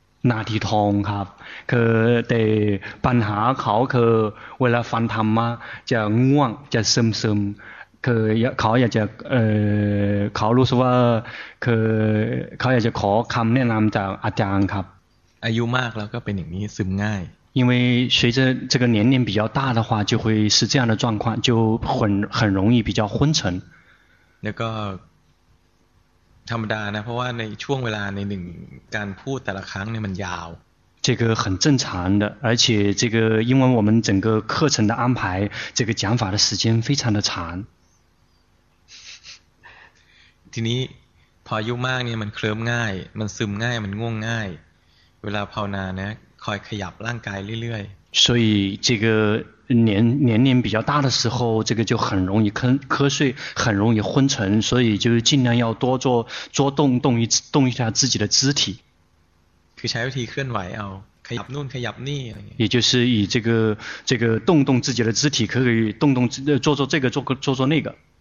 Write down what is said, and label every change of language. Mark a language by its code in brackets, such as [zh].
[th] นาทีทองครับคือแต่ปัญหาเขาคือเวลาฟังธรรมะจะง่วงจะซึมคือเขาอยากจะขอคำแนะนำจากอาจารย์ครับ อายุมากแล้วก็เป็นอย่างนี้ซึมง่าย [zh] 因为随着这个年龄比较大的话就会是这样的状况就很容易比较昏沉 [th] แล้วก็ธรรมดานะเพราะว่าในช่วงเวลาในหนึ่งการพูดแต่ละครั้งเนี่ยมันยาว [zh] 这个很正常的而且这个因为我们整个课程的安排这个讲法的时间非常的长 [th] ทีนี้พออายุมากเนี่ยมันเคลิ้มง่ายมันซึมง่ายมันง่วงง่ายเวลาภาวนาเนี่ยคอยขยับร่างกายเรื่อย [zh] ๆ所以这个年龄比较大的时候这个就很容易瞌睡很容易昏沉所以就尽量要多做动一下自己的肢体 [th] คือใช้วิธีเคลื่อนไหวเอาเ [zh] 也就是以这个动动自己的肢体，可以动动做做这个，做那个。